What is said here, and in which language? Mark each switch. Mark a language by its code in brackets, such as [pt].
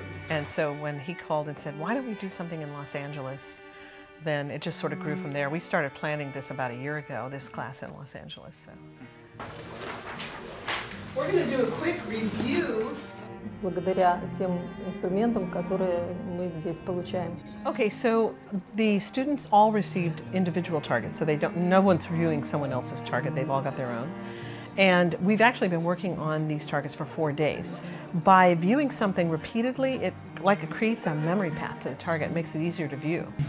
[en] And so when he called and said, why don't we do something in Los Angeles, then it just sort of grew from there. We started planning this about a year ago, this class in Los Angeles. So we're going to do a quick review. [ru] Благодаря тем инструментам, которые мы здесь получаем. [en] Okay, so the students all received individual targets, so they don't, no one's viewing someone else's target, they've all got their own. And we've actually been working on these targets for 4 days. By viewing something repeatedly, it like it creates a memory path to the target, makes it easier to view.